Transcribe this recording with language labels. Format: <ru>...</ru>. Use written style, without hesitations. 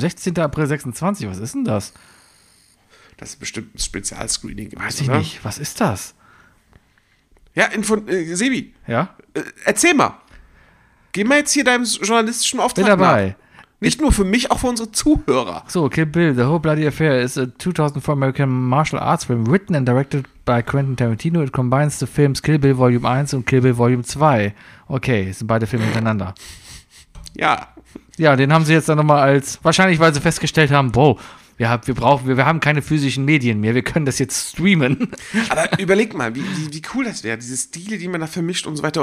<de>16. April 26, was ist denn das? Das ist bestimmt ein Spezialscreening gewesen. Weiß ich nicht, was ist das? Ja, Sebi. Ja? Erzähl mal. Geh mal jetzt hier deinem journalistischen Auftrag nach. Bin dabei. Nicht nur für mich, auch für unsere Zuhörer.</de> <en>So, Kill Bill, The Whole Bloody Affair is a 2004 American martial arts film written and directed by Quentin Tarantino. It combines the films Kill Bill Volume 1</en> <de>und</de> <en>Kill Bill Volume 2.</en> <de>Okay, sind beide Filme hintereinander. Ja. Ja, den haben sie jetzt dann nochmal als, wahrscheinlich weil sie festgestellt haben, boah, wir haben keine physischen Medien mehr, wir können das jetzt streamen. Aber überleg mal, wie cool das wäre, diese Stile, die man da vermischt und so weiter.</de>